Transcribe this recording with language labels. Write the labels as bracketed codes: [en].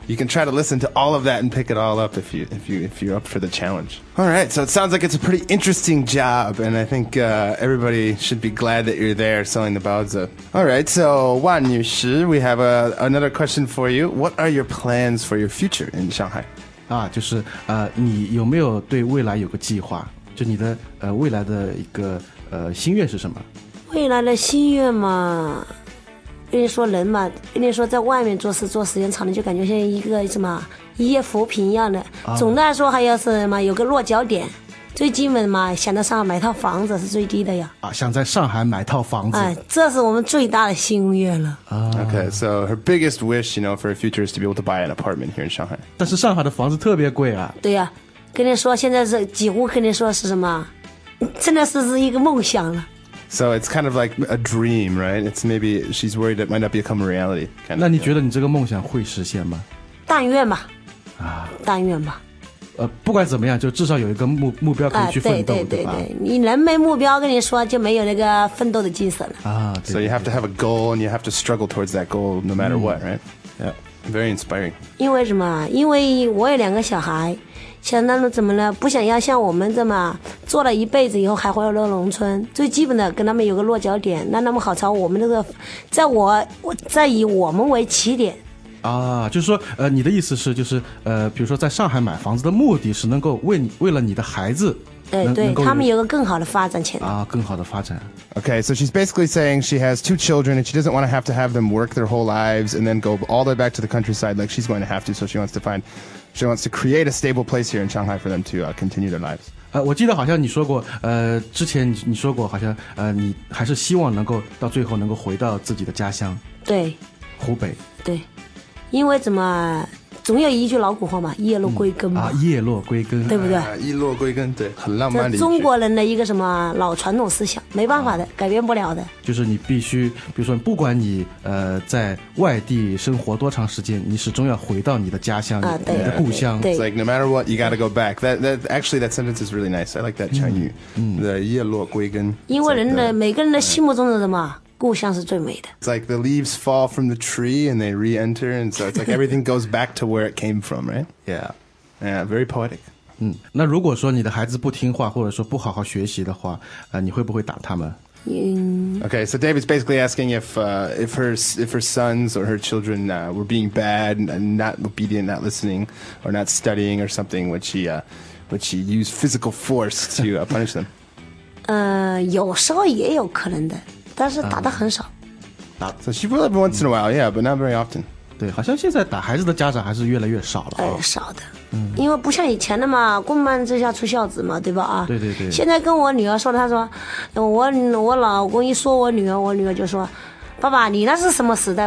[en] You can try to listen to all of that and pick it all up if you're up for the challenge. All right, so it sounds like it's a pretty interesting job, and I think everybody should be glad that you're there selling the baozi. All right, so Wan Yushi, we have another question for you. What are your plans for your future in Shanghai? [zh] 啊，就是你有没有对未来有个计划？就你的未来的一个心愿是什么？未来的心愿嘛。跟你说人嘛，跟你说在外面做事做时间长了，就感觉像一个什么一夜浮萍一样的。总的来说，还要是什么有个落脚点。最基本嘛，想在上海买套房子是最低的呀。啊，想在上海买套房子。哎，这是我们最大的心愿了。 [en] Okay, so her biggest wish, you know, for her future is to be able to buy an apartment here in Shanghai. [zh] 但是上海的房子特别贵啊。对呀，跟你说现在是几乎跟你说是什么，真的是一个梦想了。 [en] So it's kind of like a dream, right? It's maybe she's worried it might not become a reality. Kind of. [zh] 那你觉得你这个梦想会实现吗？但愿吧。啊，但愿吧。不管怎么样，就至少有一个目标可以去奋斗，对吧？对对对，你人没目标，跟你说就没有那个奋斗的精神了。啊，对。 [en] So you have to have a goal, and you have to struggle towards that goal no matter what, right? Yeah, very inspiring. [zh] 因为什么？因为我有两个小孩。想那种怎么了？不想要像我们这么做了一辈子以后还回到农村，最基本的跟他们有个落脚点，那么好朝我们这个，在我再以我们为起点。啊，就是说，你的意思是，就是比如说在上海买房子的目的是能够为了你的孩子。 [en] Okay, so she's basically saying she has two children and she doesn't want to have them work their whole lives and then go all the way back to the countryside like she's going to have to. So she wants to create a stable place here in Shanghai for them to continue their lives. [zh] 我记得好像你说过，之前你说过好像，你还是希望能够到最后能够回到自己的家乡。对。湖北。对，因为怎么？总有一句老古话嘛，叶落归根嘛。啊，叶落归根，对不对？叶落归根，对，很浪漫的。中国人的一个什么老传统思想，没办法的，改变不了的。就是你必须，比如说，不管你在外地生活多长时间，你始终要回到你的家乡，你的故乡。对。 [en] It's like no matter what, you gotta go back. That sentence is really nice. I like that Chinese. [zh] 的叶落归根。因为人的每个人的心目中的什么？故乡是最美的。 [en] It's like the leaves fall from the tree and they re-enter, and so it's like everything goes back to where it came from, right? Yeah, yeah, very poetic. [zh] 那如果说你的孩子不听话，或者说不好好学习的话，你会不会打他们？ [en] Okay, so David's basically asking if her sons or her children were being bad and not obedient, not listening, or not studying or something, would she use physical force to punish them? [zh] 有时候也有可能的。但是打得很少。 [en] So she will every once in a while, yeah, but not very often. [zh] 对，好像现在打孩子的家长还是越来越少了。少的，因为不像以前的嘛，棍棒之下出孝子嘛，对吧？对对对。现在跟我女儿说，她说，我老公一说我女儿就说，爸爸，你那是什么时代？